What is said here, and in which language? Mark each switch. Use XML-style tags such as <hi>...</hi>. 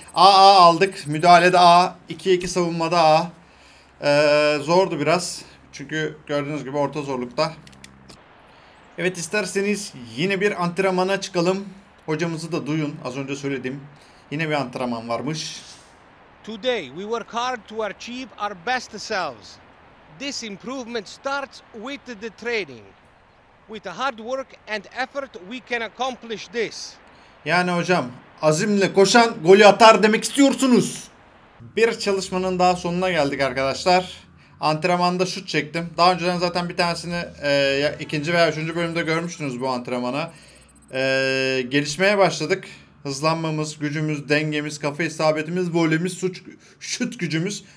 <tr>AA aldık. Müdahalede A. 2-2 savunmada A. Zordu biraz. Çünkü gördüğünüz gibi orta zorlukta. Evet, isterseniz yine bir antrenmana çıkalım. Hocamızı da duyun. Az önce söyledim. Yine bir antrenman varmış.</tr> <en>Today we work hard to achieve our best selves. This improvement starts with the training. With hard work and effort we can accomplish this.</en> <tr>Yani hocam, azimle koşan golü atar demek istiyorsunuz. Bir çalışmanın daha sonuna geldik arkadaşlar. Antrenmanda şut çektim. Daha önceden zaten bir tanesini ikinci veya üçüncü bölümde görmüştünüz bu antrenmana. Gelişmeye başladık. Hızlanmamız, gücümüz, dengemiz, kafa isabetimiz, volemiz, şut gücümüz.</tr>